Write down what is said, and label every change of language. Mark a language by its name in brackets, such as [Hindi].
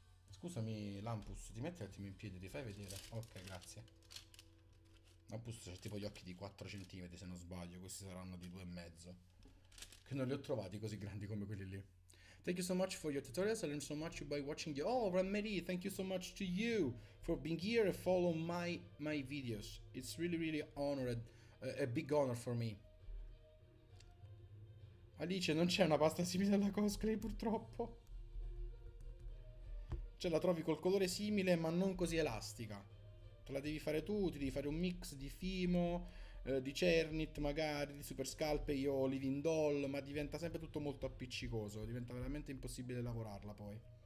[Italian] Scusami, Lampus, ti metti un attimo in piedi, ti fai vedere? Ok, grazie. Ma appunto c'è tipo gli occhi di 4 cm se non sbaglio, questi saranno di 2,5. Che non li ho trovati così grandi come quelli lì. [English] Thank you so much for your tutorials, I learned so much by watching you. Oh, Ranmarie, thank you so much to you for being here and follow my videos. It's really honored, a big honor for me. [Italian] Alice, non c'è una pasta simile alla cosplay purtroppo. Cioè la trovi col colore simile ma non così elastica. La devi fare tu, ti devi fare un mix di Fimo, di Cernit magari, di Super Scalpe, io ho Living Doll, ma diventa sempre tutto molto appiccicoso, diventa veramente impossibile lavorarla poi.